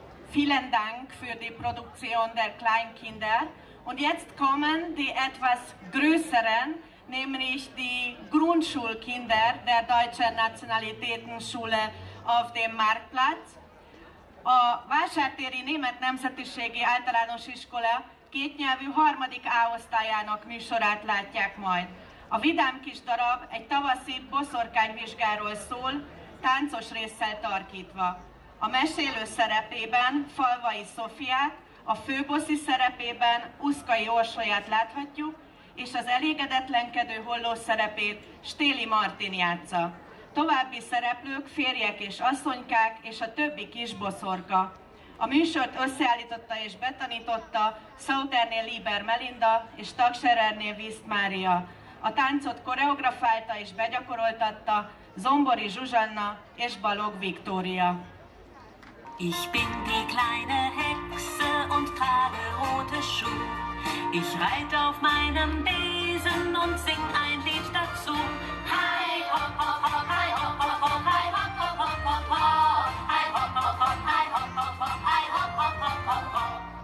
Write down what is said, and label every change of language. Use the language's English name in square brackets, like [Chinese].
[German] Vielen Dank für die Produktion der Kleinkinder. Und jetzt kommen die etwas größeren, nämlich die Grundschulkinder der Deutschen Nationalitätenschule auf dem Marktplatz. [Hungarian] Vásártéri Német Nemzetiségi Általános Iskola kétnyelvű harmadik A-osztályának műsorát látják majd. A vidám kis darab egy tavaszi boszorkányvizsgáról szól, táncos résszel tarkítva. A mesélő szerepében Falvai Szofiát, a főboszi szerepében Uszkai Orsolyát láthatjuk, és az elégedetlenkedő holló szerepét Stéli Martin játsza. További szereplők férjek és asszonykák és a többi kisboszorka. A műsort összeállította és betanította Szauterné Lieber Melinda és Tagserernél Wiszt Mária. A táncot koreografálta és begyakoroltatta Zombori Zsuzsanna és Balog Viktória. [German] Ich bin die kleine Hexe und trage rote Schuhe. Ich reite auf meinem Besen und sing ein Lied dazu. Hi, hopp, hopp, hopp, hi, hopp, hopp, hopp, hi, hopp, hopp, hopp, hopp, hopp, hi, hopp, hopp, hopp, hi, hopp, hopp, hopp, hi, hopp, hopp, hopp, hopp, hopp.